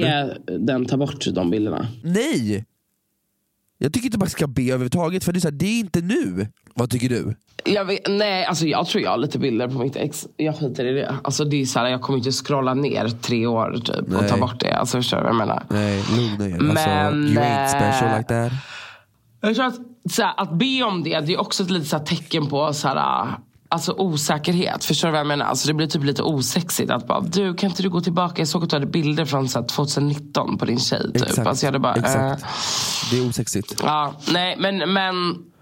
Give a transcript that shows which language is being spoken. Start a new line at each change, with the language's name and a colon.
Swedish: Be den ta bort de bilderna? Nej. Jag tycker inte man ska be överhuvudtaget. För det är, så här, det är inte nu. Vad tycker du? Jag tror jag har lite bilder på mitt ex. Jag skiter i det. Alltså det är så här, jag kommer inte scrolla ner 3 år typ, och ta bort det. Alltså förstår du vad jag menar? Nej, lugn dig. Men, alltså,
English: you ain't special like that.
Swedish: Jag tror att, så här, att be om det, det är också ett litet så här, tecken på så här, alltså osäkerhet. Förstår du vad jag menar? Alltså det blir typ lite osexigt. Att bara, du, kan inte du gå tillbaka? Jag såg att du hade bilder från så här, 2019 på din tjej. Typ. Exakt. Alltså, jag hade bara, Det är osexigt. Ja, nej, men